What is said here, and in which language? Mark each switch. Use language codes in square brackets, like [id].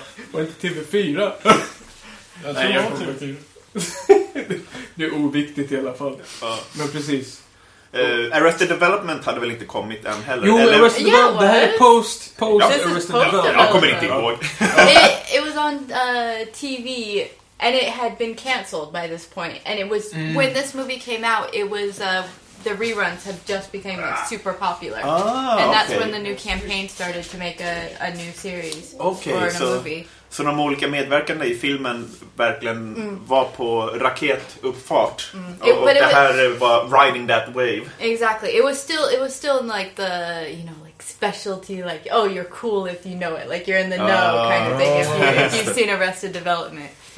[sv] Var inte TV4? Nej, jag var TV4. Det är oviktigt i alla fall. Men precis. Arrested Development hade väl inte kommit än heller? Jo, eller? Arrested Development, det här är post ja. Arrested Development. Jag kommer inte ihåg. [en] It was on TV and it had been cancelled by this point. And it was, when this movie came out, it was, the reruns had just became super popular. Ah, and that's okay. When the new campaign started to make a new series okay, or so, a movie. [sv] Så de olika medverkande i filmen verkligen var på raketuppfart. Det här var [en] riding that wave. Exactly. It was still in like the, you know, like specialty, like, oh, you're cool if you know it. Like you're in the know kind of thing if you've seen Arrested Development.